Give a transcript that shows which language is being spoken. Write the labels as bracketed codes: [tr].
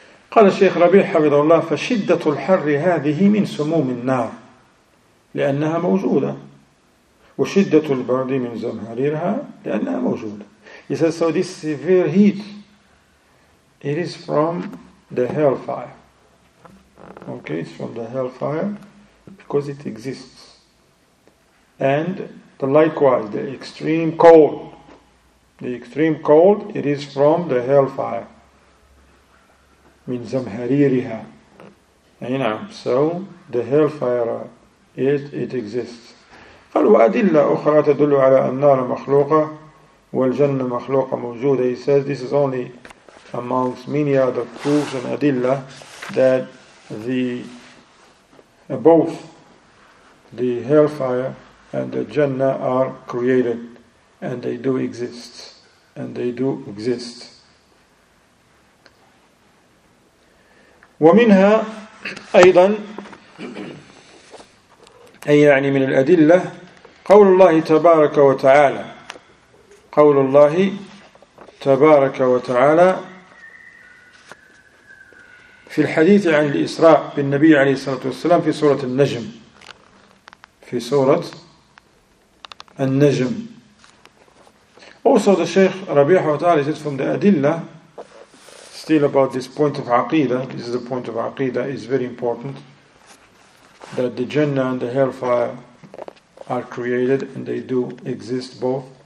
[ar] قال الشيخ ربيع حفظه الله فشدة الحر هذه من سموم النار لأنها موجودة وشدة البرد من زمهريرها لأنها موجودة. [en] He says, so this severe heat, it is from the hellfire. Okay, it's from the hellfire because it exists. And the likewise, the extreme cold. The extreme cold, it is from the hellfire. [ar] من زمهريرها. نعم. [en] So the hellfire, it exists. [ar] قالوا أدلة أخرى تدل على النار مخلوقة والجنة مخلوقة موجودة. [en] He says this is only amongst many other proofs and adilla that the both the hellfire and the Jannah are created and they do exist. And they do exist. [ar] ومنها أيضا أي يعني من الأدلة قول الله تبارك وتعالى قول الله تبارك وتعالى في الحديث عن الإسراء بالنبي عليه الصلاة والسلام في سورة النجم في سورة النجم. [en] Also the Shaykh Rabi'ah wa ta'ala said from the Adillah, still about this point of Aqidah, this is the point of Aqidah, is very important, that the Jannah and the Hellfire are created and they do exist both.